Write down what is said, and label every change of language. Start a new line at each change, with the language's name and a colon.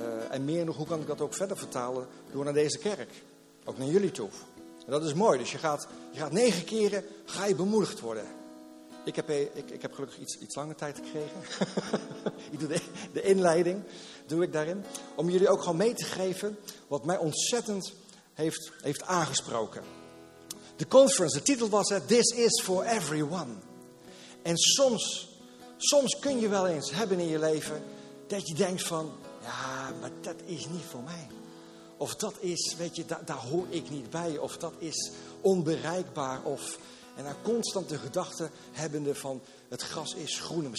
Dutch: En meer nog, hoe kan ik dat ook verder vertalen door naar deze kerk? Ook naar jullie toe. En dat is mooi. Dus je gaat 9 keren, ga je bemoedigd worden. Ik heb gelukkig iets langer tijd gekregen. Ik doe de inleiding, doe ik daarin. Om jullie ook gewoon mee te geven wat mij ontzettend heeft aangesproken. De conference, de titel was het,
English: This is for everyone.
Dutch: En soms kun je wel eens hebben in je leven dat je denkt van, ja, maar dat is niet voor mij. Of dat is, weet je, daar hoor ik niet bij. Of dat is onbereikbaar. En dan constant de gedachte hebbende van het gras is groener.